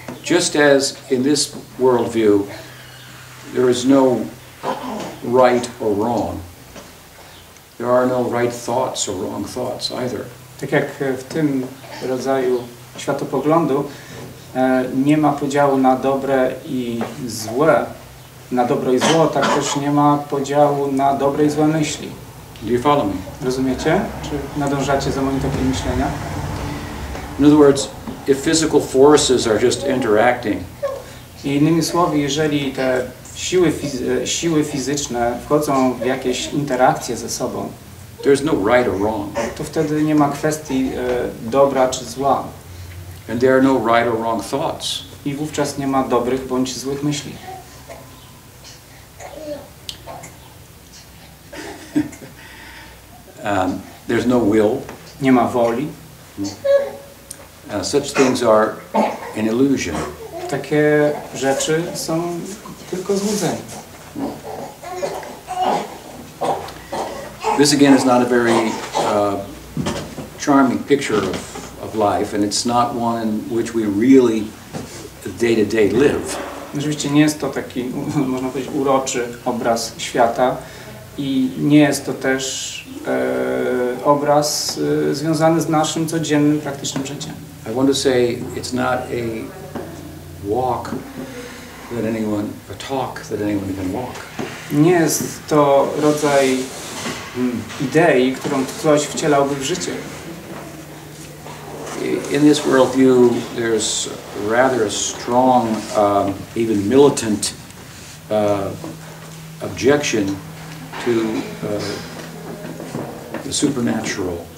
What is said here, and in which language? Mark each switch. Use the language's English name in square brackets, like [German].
[English] Just as in this worldview, there is no right or wrong. There are no right thoughts or wrong thoughts either. [Polish] Tak jak w tym rodzaju światopoglądu, nie ma podziału na dobre i złe, na dobro i zło, tak też nie ma podziału na dobre i złe myśli. [English] Do you follow me? [Polish] Rozumiecie? Czy nadążacie za moim tokiem myślenia? [English] In other words, if physical forces are just interacting. [Polish] Innymi słowy, jeżeli te siły fizyczne wchodzą w jakieś interakcje ze sobą, [English] there's no right or wrong. [Polish] To wtedy nie ma kwestii dobra czy zła. [English] And there are no right or wrong thoughts. [Polish] I wówczas nie ma dobrych bądź złych myśli. [English] There's no will. [Polish] Nie ma woli. [English] Such things are an illusion. [Polish] Takie rzeczy są tylko złudzeń. [English] this again is not a very charming picture of life, and it's not one in which we really day to day live. [Polish] Rzeczywiście nie jest to taki, można powiedzieć, uroczy obraz świata i nie jest to też obraz związany z naszym codziennym, praktycznym życiem. [English] I want to say it's not a walk that anyone, a talk that anyone can walk. [Polish] Nie jest to rodzaj idei, którą ktoś wcielałby w życie. [English] In this worldview, there's rather a strong, even militant objection to the supernatural.